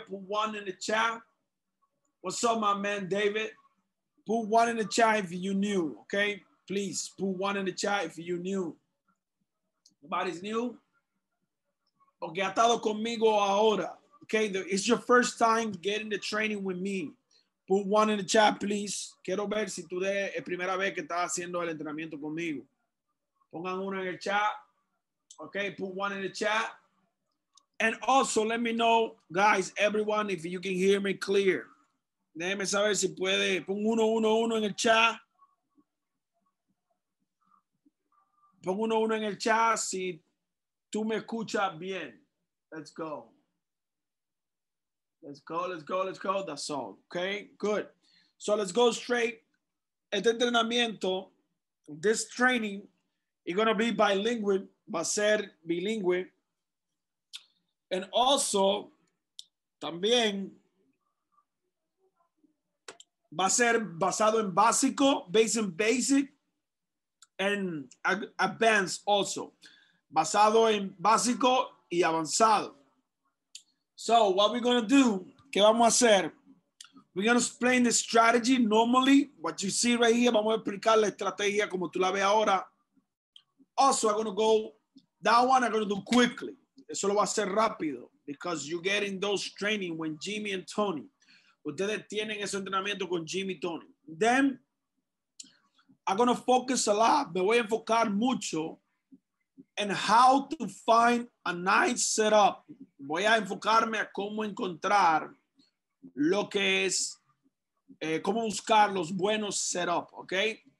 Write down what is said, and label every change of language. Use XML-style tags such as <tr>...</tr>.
<en>Put one in the chat. What's up, my man, David? Put one in the chat if you're new, okay? Please, put one in the chat if you're new. Nobody's new? Okay, ha estado conmigo ahora. Okay, it's your first time getting the training with me. Put one in the chat, please.</en> <es>Quiero ver si tú es la primera vez que estás haciendo el entrenamiento conmigo.</es> <en>Pongan uno en el chat. Okay, put one in the chat. And also, let me know, guys, everyone, if you can hear me clear.</en> <es>Déjeme saber si puede. Pon uno, uno, uno en el chat. Pon uno, uno en el chat si tú me escuchas bien.</es> <en>Let's go. Let's go, let's go, let's go. That's all. Okay, good. So let's go straight. Este entrenamiento, this training, is going to be bilingual.</en> <es>Va a ser bilingüe. And also, también, va a ser basado en básico, based in basic, and advanced also. Basado en básico y avanzado. So, what we're going to do, ¿qué vamos a hacer?</es> <en>We're going to explain the strategy normally, what you see right here.</en> <es>Vamos a explicar la estrategia como tú la ves ahora.</es> <en>Also, I'm going to go, that one I'm going to do quickly. Eso lo va a hacer rápido, because you're getting those training when Jimmy and Tony.</en> <es>Ustedes tienen ese entrenamiento con Jimmy y Tony.</es> <en>Then, I'm going to focus a lot.</en> <es>Me voy a enfocar mucho en how to find a nice setup. Voy a enfocarme a cómo encontrar lo que es, cómo buscar los buenos setups, okay?</es>